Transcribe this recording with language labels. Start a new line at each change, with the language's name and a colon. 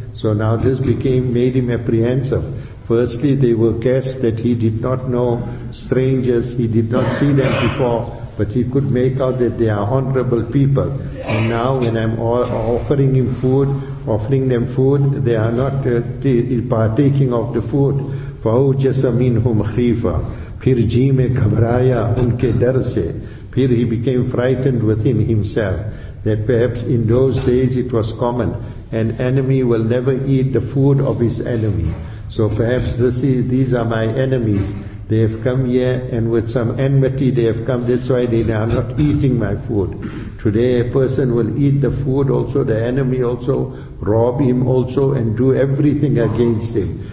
English: So now this made him apprehensive. Firstly, they were guests that he did not know, strangers, he did not see them before, but he could make out that they are honorable people. And now when I'm offering them food, they are not partaking of the food.
Arabic: فَوْجَسَ مِنْهُمْ خِيفًا.
Urdu: پھر جی میں گھبرایا ان کے ڈر سے.
English: پھر ہی became frightened within himself that perhaps in those days it was common an enemy will never eat the food of his enemy. So perhaps these are my enemies. They have come here and with some enmity they have come. That's why they are not eating my food. Today a person will eat the food also, the enemy also, rob him also and do everything against him.